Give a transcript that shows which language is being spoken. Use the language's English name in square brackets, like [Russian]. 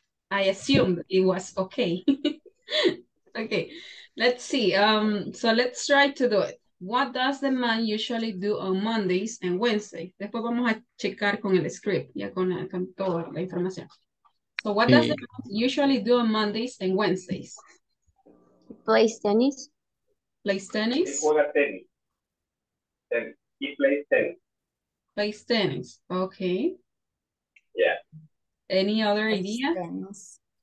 [English] I assumed it was okay. Okay, let's see. So let's try to do it. What does the man usually do on Mondays and Wednesdays? [Spanish] Después vamos a checar con el script, ya con toda la información. [English] So what does the man usually do on Mondays and Wednesdays? Plays tennis. Plays tennis? He plays tennis. Plays tennis. Okay. Yeah. Any other idea? Tennis.